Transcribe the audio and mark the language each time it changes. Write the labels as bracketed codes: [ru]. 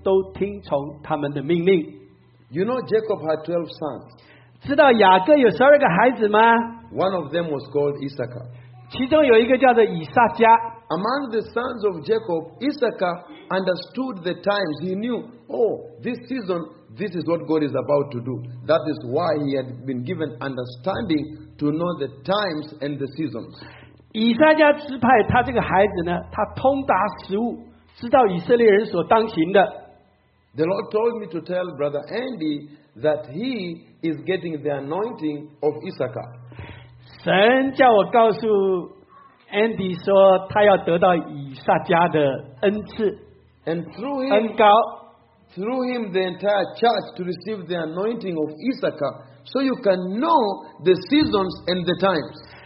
[zh] 历代志上十二章三十二节，以撒迦支派有二百族长，都通达十物，知道以色列人所当行的，他们族弟兄都听从他们的命令。 [en] You know Jacob had 12 sons. [zh] 知道雅各有十二个孩子吗？ [en] One of them was called Issachar. [zh] 其中有一个叫做以撒迦。 [en] among the sons of Jacob, Issachar understood the times. He knew, this season, this is what God is about to do. That is why he had been given understanding to know the times and the seasons. [zh] 以撒迦支派他这个孩子呢，他通达食物，知道以色列人所当行的。 [en] The Lord told me to tell Brother Andy that he is getting the anointing of Issachar. [zh] 神叫我告诉 Andy 说他要得到以撒迦的恩赐。 [en] And through him, [zh] 恩膏, [en] through him, the entire church to receive the anointing of Issachar, so you can know the seasons and the times.